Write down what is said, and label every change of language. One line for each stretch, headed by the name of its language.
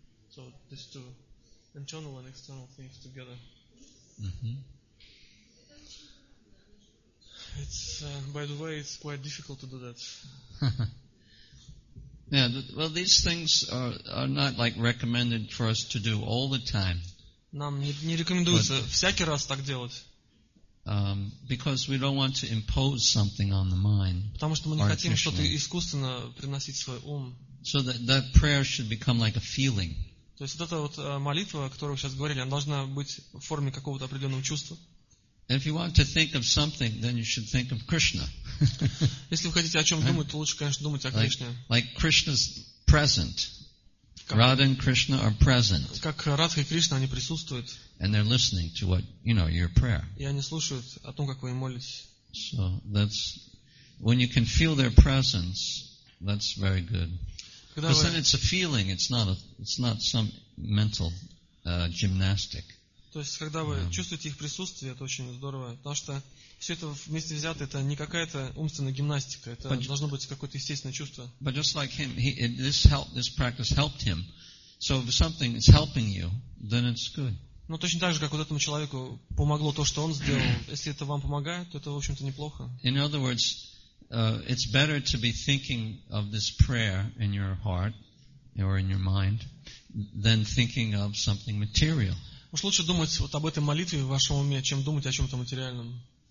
English: So these two internal and external things together. Mm-hmm. It's by the way, it's quite difficult to do that. Yeah, well, these things are not like recommended for us to do all the time.
Russian: Нам не рекомендуется всякий раз так делать.
English: Because we don't want to impose something on the mind.
Russian: Потому что мы не хотим что-то искусственно приносить в свой ум.
English: So that prayer should become like a feeling.
Russian: То есть вот эта вот молитва, о которой вы сейчас говорили, она должна быть в форме какого-то определенного чувства.
English: If you want to think of something, then you should think of Krishna.
Russian: Если вы хотите о чем думать, то лучше, конечно, думать о Кришне.
English: Like Krishna's present. Radha and Krishna are present.
Russian: Как Радха и Кришна, они присутствуют.
English: And they're listening to what, you know, your prayer.
Russian: И они слушают о том, как вы молитесь.
English: So that's when you can feel their presence. That's very good. Because then it's a feeling. It's not some mental gymnastic.
Russian: То есть когда вы чувствуете их присутствие, это очень здорово, потому что все это вместе взято, это не какая-то умственная гимнастика, это должно быть какое-то естественное чувство.
English: But just like him, this practice helped him. So if something is helping you, then it's good.
Russian: Но точно так же, как вот этому человеку помогло то, что он сделал, если это вам помогает, то это, в общем-то, неплохо.
English: In other words, it's better to be thinking of this prayer in your heart or in your mind than thinking of something material.
Russian: Уж лучше думать вот об этой молитве в вашем уме, чем думать о чем-то материальном.